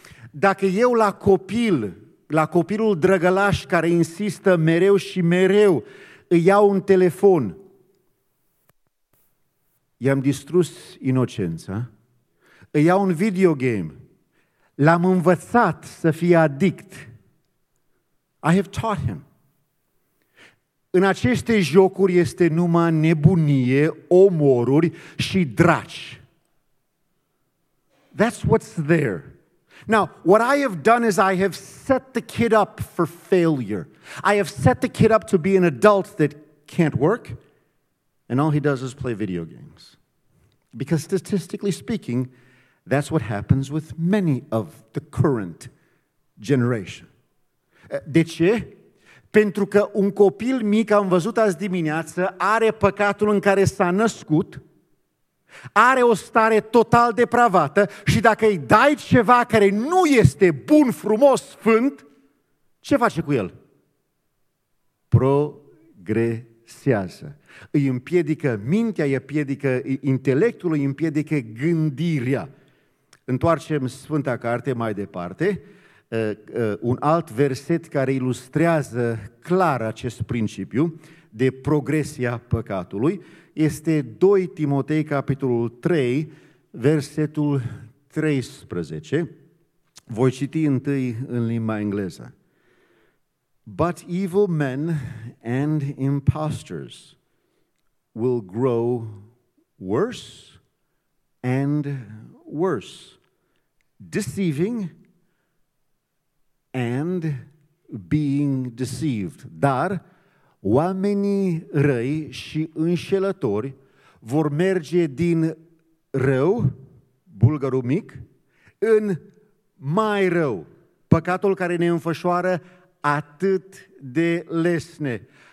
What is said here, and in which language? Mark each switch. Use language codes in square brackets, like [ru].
[ro] Dacă eu la copilul drăgălaș care insistă mereu și mereu, îi iau un telefon, i-am distrus inocența, îi iau un video game, l-am învățat să fie addict. [en] I have taught him. [ro] În aceste jocuri este numai nebunie, omoruri și draci. [en] That's what's there. Now, what I have done is I have set the kid up for failure. I have set the kid up to be an adult that can't work, and all he does is play video games. Because statistically speaking, that's what happens with many of the current generation. [ro] De ce? Pentru că un copil mic, am văzut azi dimineață, are păcatul în care s-a născut, are o stare total depravată și dacă îi dai ceva care nu este bun, frumos, sfânt, ce face cu el? Progresează. stresează. Îi împiedică mintea, îi împiedică intelectul, îi împiedică gândirea. Întoarcem Sfânta Carte mai departe, un alt verset care ilustrează clar acest principiu de progresia păcatului este 2 Timotei, capitolul 3, versetul 13. Voi citi întâi în limba engleză. [en] But evil men and impostors will grow worse and worse, deceiving and being deceived. [ro] Dar oamenii răi și înșelători vor merge din rău, bulgărul mic, în mai rău, păcatul care ne înfășoară atât de lesne.